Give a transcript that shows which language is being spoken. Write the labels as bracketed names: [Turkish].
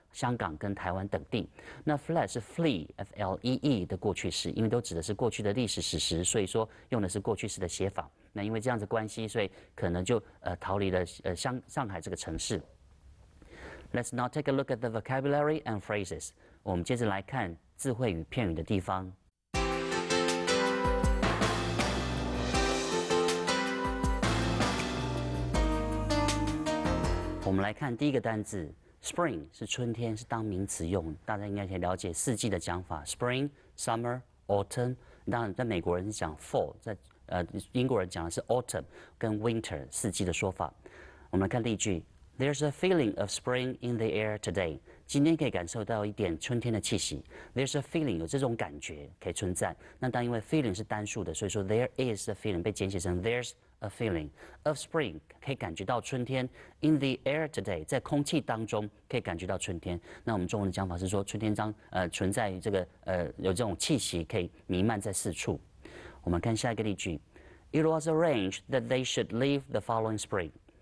[Chinese] 香港跟台湾等地，那 fled 是 flee 的过去式，因为都指的是过去的历史史实，所以说用的是过去式的写法。那因为这样子关系，所以可能就逃离了上海这个城市。 [English] Let's now take a look at the vocabulary and phrases。 [Chinese] 我们接着来看字汇与片语的地方。我们来看第一个单字。Spring 是春天，是当名词用，大家应该可以了解四季的讲法 ：Spring、Summer、Autumn。当然，在美国人是讲 Fall， 在英国人讲的是 Autumn 跟 Winter 四季的说法。我们来看例句 [English] ：There's a feeling of spring in the air today。 [Chinese] 今天可以感受到一点春天的气息。 [English] There's a feeling [Chinese] 有这种感觉可以存在。那当因为 feeling 是单数的，所以说 [English] There is a feeling [Chinese] 被简写成 There's。 [English] A feeling of spring [Chinese] 可以感觉到春天 ， [English] in the air today [Chinese] 在空气当中可以感觉到春天。那我们中文的讲法是说，春天将存在于这个有这种气息可以弥漫在四处。我们看下一个例句 [English] ，It was arranged that they should leave the following spring。